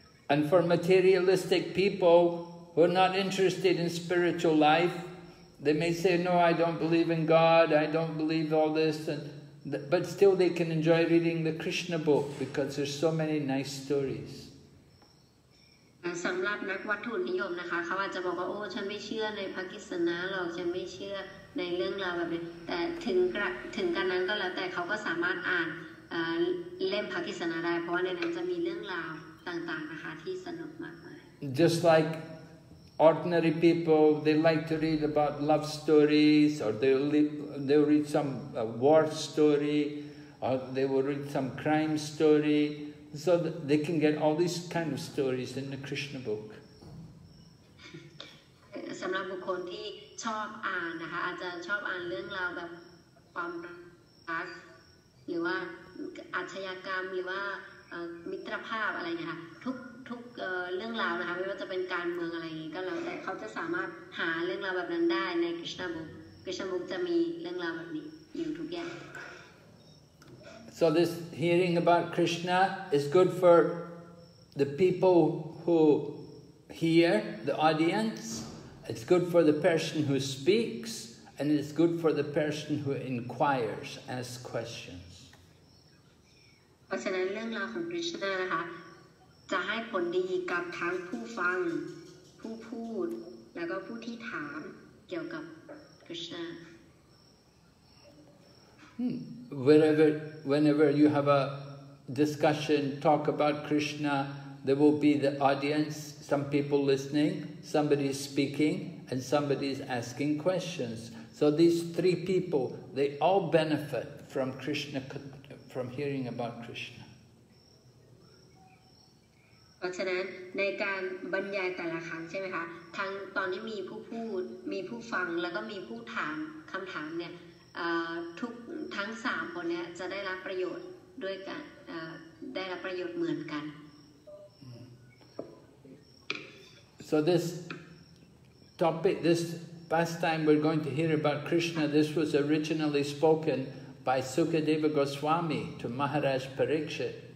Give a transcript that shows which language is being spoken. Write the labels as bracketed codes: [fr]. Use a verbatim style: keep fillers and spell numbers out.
[en] And for materialistic people who are not interested in spiritual life, they may say, "No, I don't believe in God. I don't believe all this." And But still they can enjoy reading the Krishna book because there's so many nice stories. [th] สำหรับนักวัตถุนิยมนะคะเขาอาจจะบอกว่าโอ้ฉันไม่เชื่อในพระกฤษณะหรอกฉันไม่เชื่อในเรื่องราวแบบนี้แต่ถึงกระถึงกันนั้นก็แล้วแต่เขาก็สามารถอ่านเล่มพระกฤษณะได้เพราะว่าในนั้นจะมีเรื่องราวต่างๆนะคะที่สนุกมากมาย [en] Just like ordinary people, they like to read about love stories, or they'll, they'll read some uh, war story, or they will read some crime story. So they can get all these kind of stories in the Krishna book. [th] สำหรับบุคคลที่ชอบอ่านนะคะอาจจะชอบอ่านเรื่องราวแบบความรักหรือว่าอาชญากรรมหรือว่ามิตรภาพอะไรนะคะทุกทุกเรื่องราวนะคะไม่ว่าจะเป็นการเมืองอะไรอย่างนี้ก็แล้วแต่เขาจะสามารถหาเรื่องราวแบบนั้นได้ใน Krishna book Krishna book จะมีเรื่องราวแบบนี้อยู่ทุกอย่าง [en] So this hearing about Krishna is good for the people who hear, the audience. It's good for the person who speaks, and it's good for the person who inquires, asks questions. [th] เพราะฉะนั้นเรื่องราวของ Krishna นะคะจะให้ผลดีกับทั้งผู้ฟังผู้พูดแล้วก็ผู้ที่ถามเกี่ยวกับ Krishna. Hmm. [en] Wherever, whenever you have a discussion, talk about Krishna, there will be the audience, some people listening, somebody is speaking, and somebody is asking questions. So these three people, they all benefit from Krishna, from hearing about Krishna. [th] เพราะฉะนั้นในการบรรยายแต่ละครั้งใช่ไหมคะทั้งตอนที่มีผู้พูดมีผู้ฟังแล้วก็มีผู้ถามคำถามเนี่ยทุกทั้งสามคนเนี่ยจะได้รับประโยชน์ด้วยกันได้รับประโยชน์เหมือนกัน [en] So this topic, this pastime we're going to hear about Krishna, this was originally spoken by Sukadeva Goswami to Maharaj Parikshit.